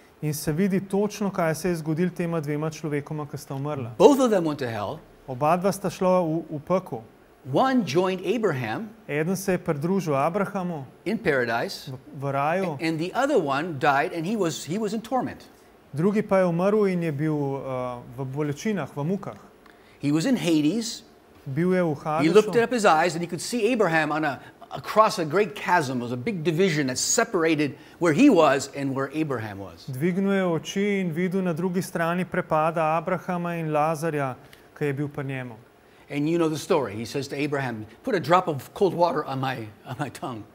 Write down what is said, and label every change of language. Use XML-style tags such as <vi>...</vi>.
<sl>In se vidi točno, kaj se je zgodil tema dvema človekoma, ki sta umrla.</sl> <en>Both of them went to hell.</en> <sl>Oba dva sta šla v peklo.</sl> <en>One joined Abraham.</en> <sl>Eden se je pridružil Abrahamu.</sl> <en>In paradise.</en> <sl>V raju.</sl> <en>And the other one died and he was in torment.</en> <sl>Drugi pa je umrl in je bil v bolečinah, v mukah.</sl> <en>He was in Hades.</en> <sl>Bil je v Hadesu.</sl> <en>He looked up his eyes and he could see Abraham on a across a great chasm, was a big division that separated where he was and where Abraham was.</en> <sl>Dvignil je oči in videl na drugi strani prepada Abrahama in Lazarja, ki je bil pa njemu.</sl> <en>And you know the story. He says to Abraham, put a drop of cold water on my tongue.</en>